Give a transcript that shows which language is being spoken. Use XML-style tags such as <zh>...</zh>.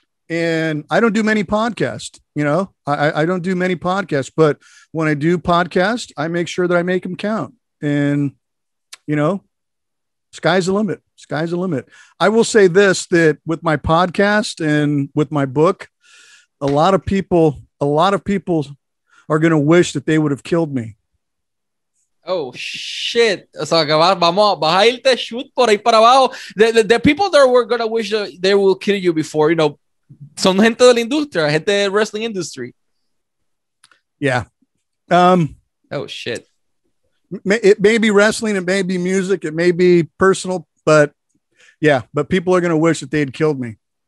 <en>And I don't do many podcasts, you know, I don't do many podcasts, but when I do podcasts, I make sure that I make them count. And, you know, sky's the limit. Sky's the limit. I will say this, that with my podcast and with my book, a lot of people are going to wish that they would have killed me. Oh, shit.</en> <es>O sea, que vas a irte shoot por ahí para abajo.</es> <en>The people that were going to wish they will kill you before, you know,</en> <es>son gente de la industria, gente de wrestling industry.</es> <en>Yeah. Oh, shit. It may be wrestling, it may be music, it may be personal, but yeah, but people are going to wish that they had killed me.</en>